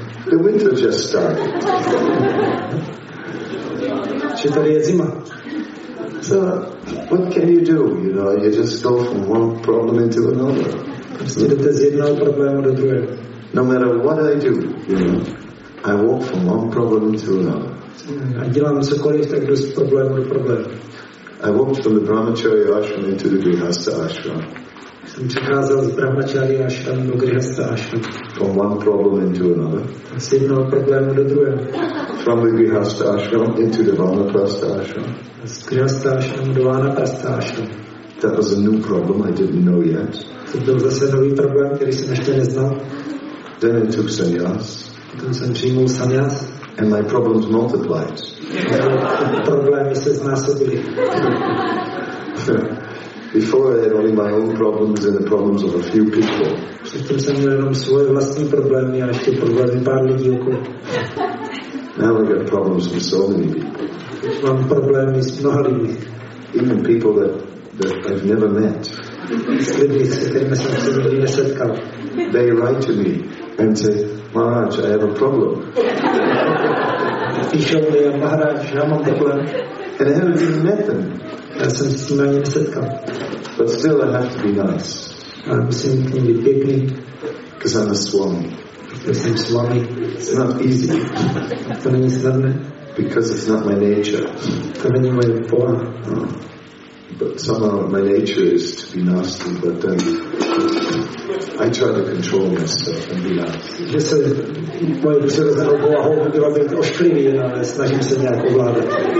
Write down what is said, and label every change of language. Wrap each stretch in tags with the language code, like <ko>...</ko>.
<en>The winter just started. So, what can you do? You know, you just go from one problem into another.</en> <cs>Prostě jdete z jednoho problému do druhého.</cs> <en>No matter what I do, you know, I walk from one problem into another.</en> <cs>A dělám cokoliv, tak jdu z problému do problému.</cs> <en>I walked from the Brahmacharya ashram into the Grihastha ashram.</en> <cs>Jsem přicházel z Brahmacharya ashram do Grihastha ashram.</cs> <en>From one problem into another.</en> <cs>Z jednoho problému do druhého.</cs> <en>From the Grihastha ashram into the Vanaprastha ashram.</en> <cs>Z Grihastha ashram do Vanaprastha ashram.</cs> <en>That was a new problem I didn't know yet.</en> <cs>To byl zase nový problém, který jsem ještě neznal.</cs> <en>Then I took sannyas.</en> <cs>Potom jsem přijmul sannyas.</cs> <en>And my problems multiplied.</en> <cs>Problémy se znásobily.</cs> <en>Before I had only my own problems and the problems of a few people.</en> <cs>Předtím jsem měl jenom svoje vlastní problémy a ještě problémy pár lidí okolo.</cs> <en>Now I got problems with so many people.</en> <cs>Teď mám problémy s mnoha lidmi.</cs> <en>Even people that I've never met.</en> <cs>S lidmi, se kterými jsem se nikdy nesetkal.</cs> <en>They write to me and say, Maharaj, I have a problem.</en> <cs>Píšel mi Maharaj, já mám problém.</cs> <en>And I haven't even met them.</en> <cs>Já jsem s tím ani nesetkal.</cs> <en>But still, I have to be nice.</en> <cs>A musím k ním být pěkný.</cs> <en>Because I'm a swami. Because I'm swami. It's not easy.</en> <cs>To není snadné.</cs> <en>Because it's not my nature.</en> <cs>To není moje povaha.</cs> <en>But somehow my nature is to be nasty, but then I try to control myself and be nasty.</en> <cs>Že se moje přirozenou povahou budu být ošklivý, ale snažím se nějak ovládat.</cs>